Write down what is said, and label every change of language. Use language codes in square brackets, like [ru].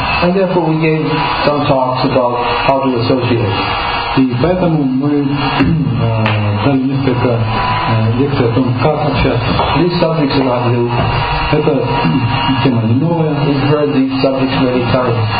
[en] And therefore we gave some talks about how to associate. [ru] И поэтому мы дали несколько лекций о том, как общаться. [en] These subjects are not new. [ru] Это тема не новая. [en] We've heard these subjects many times.